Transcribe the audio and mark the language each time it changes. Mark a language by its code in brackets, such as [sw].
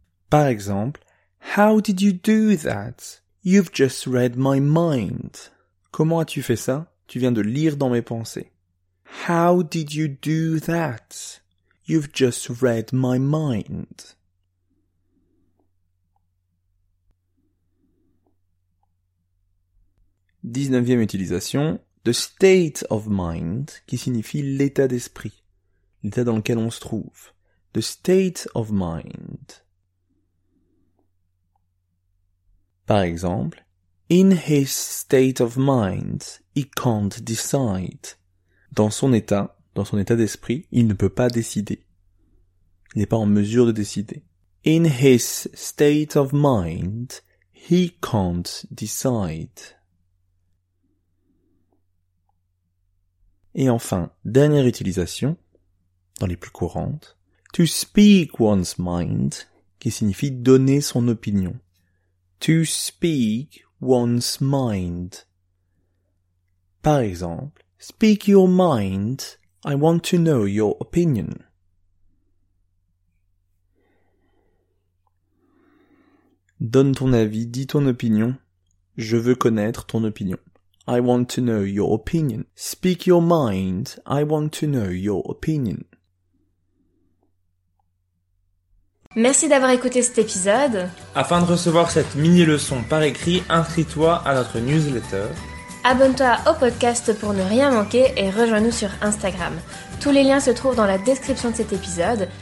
[fr] Par exemple, [en] how did you do that? You've just read my mind. [fr] Comment as-tu fait ça? Tu viens de lire dans mes pensées. [en] How did you do that? You've just read my mind. [fr] Dix-neuvième utilisation, [en] the state of mind, [fr] qui signifie l'état d'esprit, l'état dans lequel on se trouve. [en] The state of mind. [fr] Par exemple, [en] in his state of mind, he can't decide. [fr] Dans son état d'esprit, il ne peut pas décider. Il n'est pas en mesure de décider. [en] In his state of mind, he can't decide. [fr] Et enfin, dernière utilisation, dans les plus courantes, [en] to speak one's mind, [fr] qui signifie donner son opinion. [en] To speak one's mind. [fr] Par exemple, [en] speak your mind, I want to know your opinion. [fr] Donne ton avis, dis ton opinion. Je veux connaître ton opinion. [en] I want to know your opinion. Speak your mind. I want to know your opinion. [fr] Merci d'avoir écouté cet épisode. Afin de recevoir cette mini-leçon par écrit, inscris-toi à notre newsletter. Abonne-toi au podcast pour ne rien manquer et rejoins-nous sur Instagram. Tous les liens se trouvent dans la description de cet épisode.